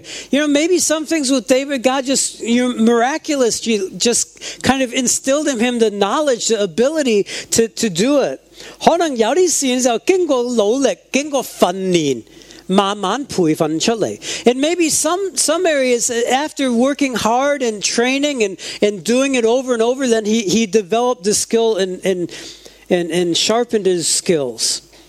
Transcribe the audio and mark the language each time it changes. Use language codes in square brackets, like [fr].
[en] You know, maybe some things with David, God just, you know, miraculous, you just kind of instilled in him the knowledge, the ability to do it. [zh] 可能有些事情就经过努力，经过训练。慢慢培训出来。 [en] And maybe some areas, after working hard and training and doing it over and over, then he developed the skill and sharpened his skills.